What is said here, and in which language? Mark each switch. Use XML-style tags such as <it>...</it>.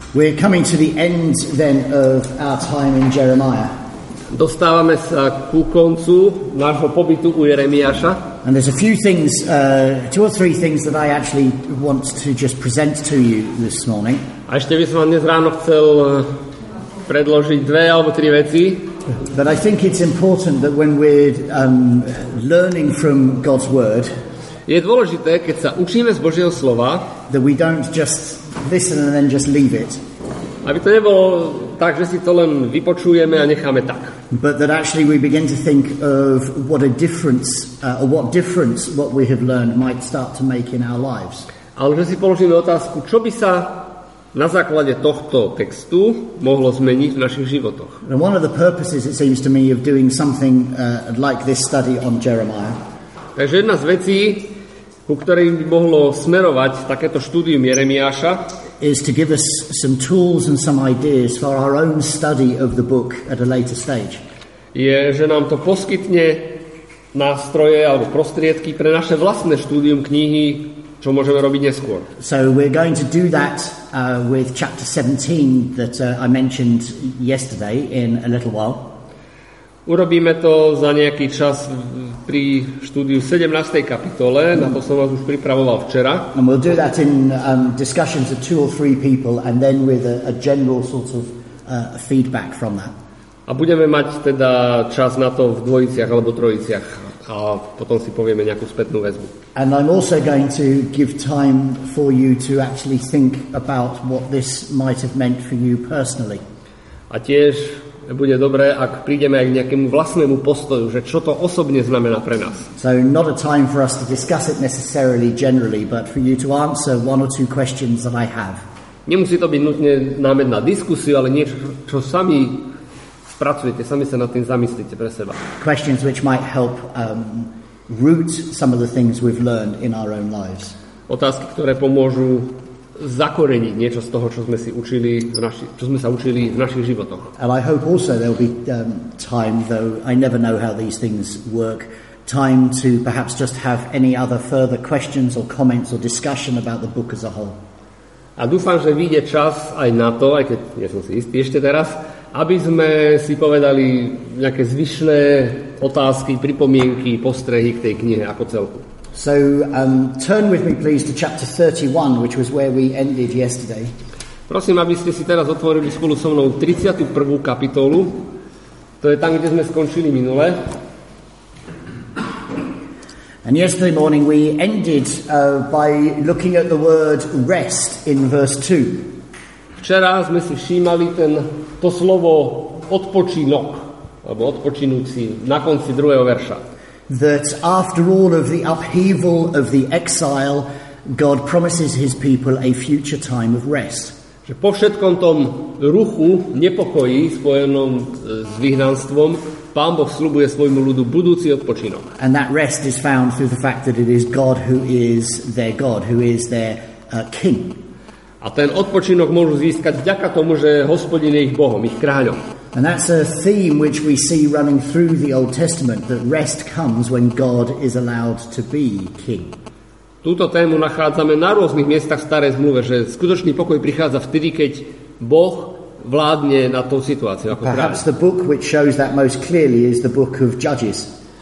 <en>We're coming to the end then of our time in Jeremiah.</en> <sk>Dostávame sa ku koncu nášho pobytu u Jeremiáša.</sk> <en>And there's a few things, two or three things that I actually want to just present to you this morning.</en> <sk>A ešte by som vám dnes ráno chcel predložiť dve alebo tri veci.</sk> <en>But I think it's important that when we're learning from God's word,</en> <sk>je dôležité, keď sa učíme z Božieho slova,</sk> <en>that we don't just listen and then just leave it.</en> <sk>Aby to nebolo tak, že si to len vypočujeme a necháme tak.</sk> <en>But that actually we begin to think of what a difference or what difference what we have learned might start to make in our lives.</en> <sk>Ale že si položíme otázku, čo by sa na základe tohto textu mohlo zmeniť v našich životoch.</sk> <en>And one of the purposes it seems to me of doing something like this study on Jeremiah.</en> <sk>Takže jedna z vecí, ku ktorej by mohlo smerovať takéto štúdium Jeremiáša,</sk> <en>is to give us some tools and some ideas for our own study of the book at a later stage.</en> <sk>Je, že nám to poskytne nástroje alebo prostriedky pre naše vlastné štúdium knihy, čo môžeme robiť neskôr.</sk> <en>So we're going to do that with chapter 17 that I mentioned yesterday in a little while.</en> <sk>Urobíme to za nejaký čas pri štúdiu 17. kapitole, na to som vás už pripravoval včera.</sk> <en>And we'll do that in discussions of two or three people and then with a general sort of feedback from that.</en> <sk>A budeme mať teda čas na to v dvojiciach alebo trojiciach a potom si povieme nejakú spätnú väzbu.</sk> <en>And I'm also going to give time for you to actually think about what this might have meant for you personally.</en> <sk>A tiež bude dobré, ak prídeme aj k nejakému vlastnému postoju, že čo to osobne znamená pre nás.</sk> <en>So not a time for us to discuss it necessarily generally, but for you to answer one or two questions that I have.</en> <sk>Nemusí to byť nutne námet na diskusiu, ale niečo, čo sami spracujete, sami sa nad tým zamyslíte pre seba.</sk> <en>Questions which might help root some of the things we've learned in our own lives.</en> <sk>Otázky, ktoré pomôžu zakoreniť niečo z toho, čo sme si učili v čo sme sa učili v našich životoch.</sk> <en>And I hope also there'll be time, though I never know how these things work, time to perhaps just have any other further questions or comments or discussion about the book as a whole.</en> <sk>A dúfam, že vyjde čas aj na to, aj keď nie som si istý ešte teraz, aby sme si povedali nejaké zvyšné otázky, pripomienky, postrehy k tej knihe ako celku.</sk> <en>So turn with me please to chapter 31, which was where we ended yesterday.</en> <sk>Prosím, aby ste si teraz otvorili spolu so mnou 31. kapitolu. To je tam, kde sme skončili minule.</sk> <en>And yesterday morning we ended by looking at the word rest in verse 2.</en> <sk>Včera sme si všímali to slovo odpočinok, alebo odpočinúci na konci druhého verša.</sk> <en>That after all of the upheaval of the exile, God promises his people a future time of rest.</en> <sk>Že po všetkom tom ruchu nepokojí spojenom s vyhnanstvom, Pán Boh sľubuje svojmu ľudu budúci odpočinok.</sk> <en>And that rest is found through the fact that it is God who is their God, who is their king.</en> <sk>A ten odpočinok môžu získať vďaka tomu, že Hospodin je ich Bohom, ich kráľom.</sk> <en>And that's a theme which we see running through the Old Testament, that rest comes when God is allowed to be king.</en> <sk>Túto tému nachádzame na rôznych miestach starej zmluve, že skutočný pokoj prichádza vtedy, keď Boh vládne na tú situáciu ako kráľ.</sk> <en>Perhaps the book which shows that most clearly is the book of Judges.</en>